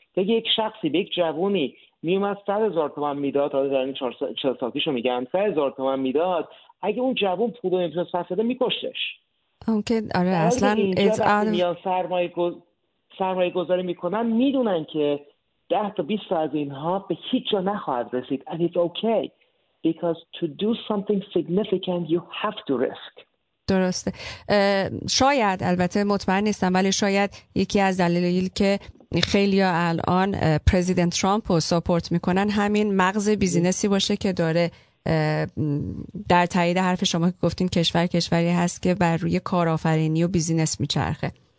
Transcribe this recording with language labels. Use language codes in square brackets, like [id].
[fa] یک شخصی به یک جوونی میومد 100,000 تومان میداد، حالا در این 40 سالیشو میگم 100,000 تومان میداد، اگه اون جوون پول رو نمیتونست پس بده میکشتش. اوکی آره اصلا سرمایه گذاری میکنن میدونن که 10 تا 20 از اینها به هیچ جا نخواهد رسید. [en] And it's okay because to do something significant you have to risk. [fa] درسته. شاید البته مطمئن نیستم، ولی شاید یکی از دلایلی که خیلی ها الان پرزیدنت ترامپ رو ساپورت میکنن همین مغز بیزینسی باشه که داره در تایید حرف شما که گفتین کشوری هست که بر روی کارآفرینی و بیزینس میچرخه.